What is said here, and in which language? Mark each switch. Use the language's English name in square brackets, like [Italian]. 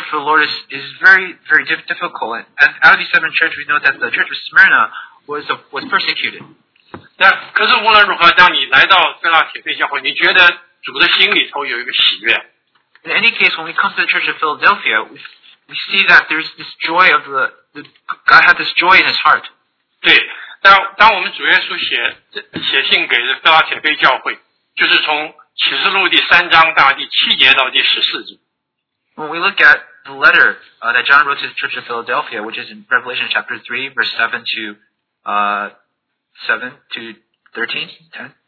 [English] the testimony for the Lord is very, very difficult. And out of these seven churches, we know that the Church of Smyrna was persecuted. [Chinese] 但可是无论如何，当你来到菲拉铁菲教会，你觉得主的心里头有一个喜悦。In [English] any case, when we come to the Church of Philadelphia, we see that there's this joy of the God had this joy in his heart. [Chinese] 对，当我们主耶稣写信给菲拉铁菲教会，就是从启示录第三章第七节到第十四节。When [English] we look at the letter that John wrote to the Church of Philadelphia, which is in Revelation chapter 3, verse 7 to 7 to 13, 10?